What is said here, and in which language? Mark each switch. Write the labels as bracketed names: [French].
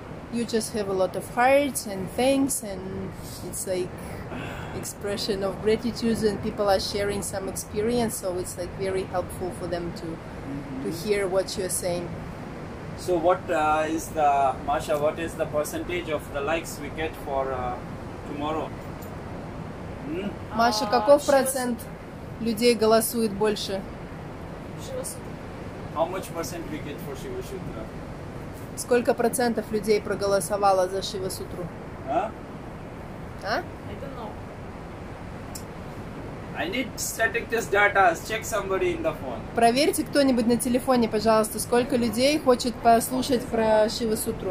[English] You just have a lot of hearts and thanks, and it's like expression of gratitude, and people are sharing some experience, so it's like very helpful for them to hear what you're saying. So what is the, Masha, what is the percentage of the likes we get for tomorrow? [Russian] Маша, каков процент людей голосует больше? [English] How much percent we get for Shiva Sutra? [Russian] Сколько процентов людей проголосовало за Шива Сутру? А? [English] I don't know. I need statistics data. Check somebody in the phone. [Russian] Проверьте кто-нибудь на телефоне, пожалуйста, сколько людей хочет послушать про Шива Сутру.